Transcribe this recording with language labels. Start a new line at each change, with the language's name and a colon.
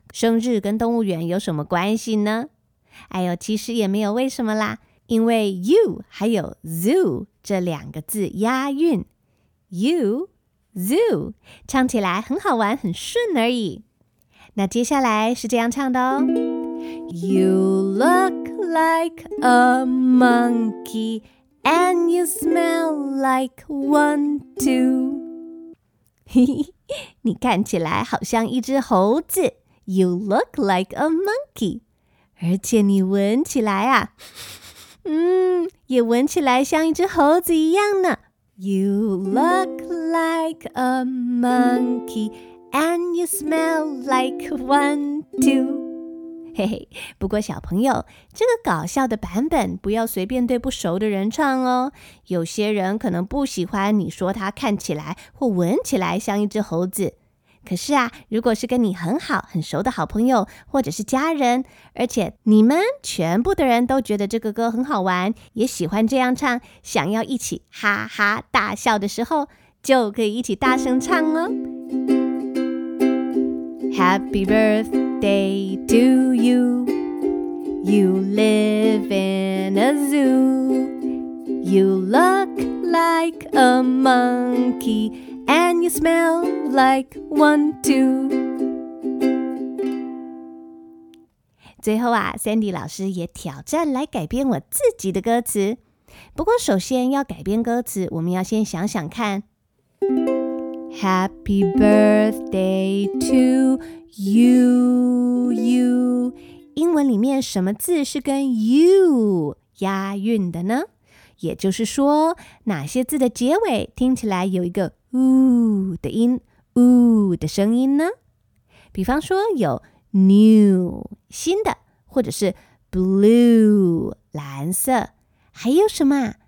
Chinese: 生日跟动物园有什么关系呢？哎呦，其实也没有为什么啦，因为 you 还有 zoo 这两个字押韵， you zoo 唱起来很好玩，很顺而已。那接下来是这样唱的哦。
English: You look like a monkeyAnd you smell like one, two.
Chinese: 你看起来好像一只猴子。
English: You look like a monkey.
Chinese: 而且你闻起来啊，也闻起来像一只猴子一样呢。
English: You look like a monkey, and you smell like one too.
Chinese: 嘿嘿，不过小朋友，这个搞笑的版本不要随便对不熟的人唱哦。有些人可能不喜欢你说他看起来或闻起来像一只猴子。可是啊，如果是跟你很好很熟的好朋友或者是家人，而且你们全部的人都觉得这个歌很好玩，也喜欢这样唱，想要一起哈哈大笑的时候，就可以一起大声唱哦。
English: Happy birthday to you. You live in a zoo. You look like a monkeyAnd you smell like one, two.
Chinese: 最后啊 ，Sandy 老师也挑战来改编我自己的歌词。不过，首先要改编歌词，我们要先想想看。
English: Happy birthday to you, you.
Chinese: 英文里面什么字是跟 you 押韵的呢？也就是说，哪些字的结尾听起来有一个呜的音，呜的声音呢？比方说有 new 新的，或者是 blue 蓝色，还有什么啊？